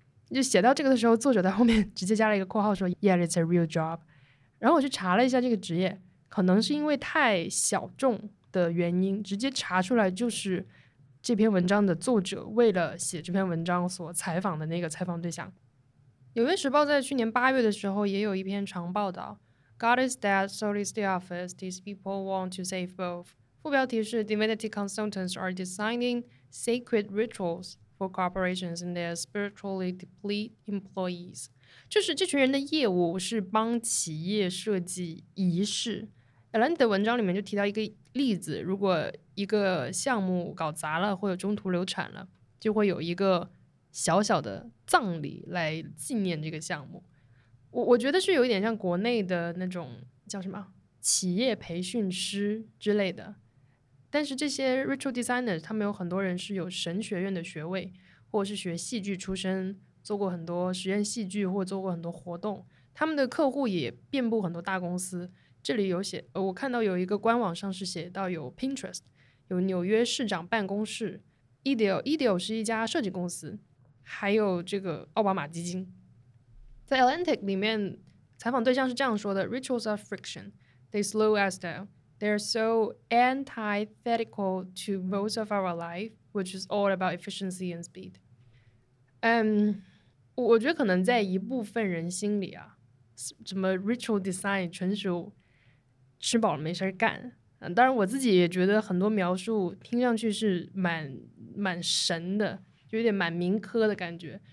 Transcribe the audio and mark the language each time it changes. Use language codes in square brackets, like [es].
[zh] 就写到这个的时候，作者在后面直接加了一个括号说 [en] Yeah, it's a real job。 [zh] 然后我去查了一下这个职业，可能是因为太小众的原因，直接查出来就是这篇文章的作者为了写这篇文章所采访的那个采访对象。纽约时报在去年八月的时候也有一篇长报道， [en] God is dead, so is the office, these people want to save both。 [zh] 副标题是 [en] Divinity consultants are designing sacred rituals for corporations and their spiritually depleted employees。 [zh] 就是这群人的业务是帮企业设计仪式。 Alan 的文章里面就提到一个例子，如果一个项目搞砸了或者中途流产了，就会有一个小小的葬礼来纪念这个项目。我觉得是有一点像国内的那种叫什么企业培训师之类的。但是这些 Ritual Designer 他们有很多人是有神学院的学位，或者是学戏剧出身，做过很多实验戏剧或做过很多活动，他们的客户也遍布很多大公司。这里有写，我看到有一个官网上是写到有 Pinterest， 有纽约市长办公室， Ideal 是一家设计公司，还有这个奥巴马基金。在 Atlantic 里面采访对象是这样说的， [en] Rituals are friction, they slow us down, they're so antithetical to most of our life, which is all about efficiency and speed。 [zh] 我觉得可能在一部分人心里啊，什么 ritual design 纯属吃饱了没事干。当然我自己也觉得很多描述听上去是蛮神的，就有点蛮民科的感觉。